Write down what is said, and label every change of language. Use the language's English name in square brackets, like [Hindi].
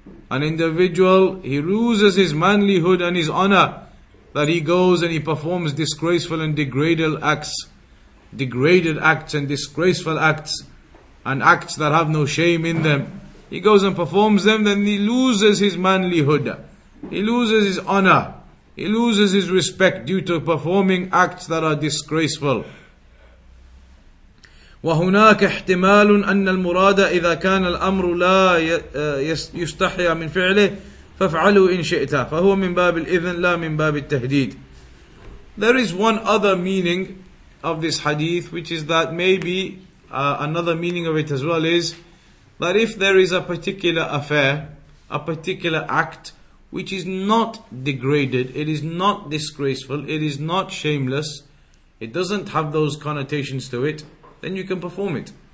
[English] An individual, he loses his manlihood and his honor that he goes and he performs disgraceful and degraded acts and acts that have no shame in them. He goes and performs them, then he loses his manlihood. He loses his honor. He loses his respect due to performing acts that are disgraceful. [Arabic] وهناك احتمال أن المراد إذا كان الأمر لا يستحيا من فعله فافعلوا إن شئت فهو من باب الإذن لا من باب التهديد. [English] There is one other meaning of this hadith, which is that maybe another meaning of it as well is that if there is a particular affair, a particular act which is not degraded, it is not disgraceful, it is not shameless, it doesn't have those connotations to it, then you can perform it.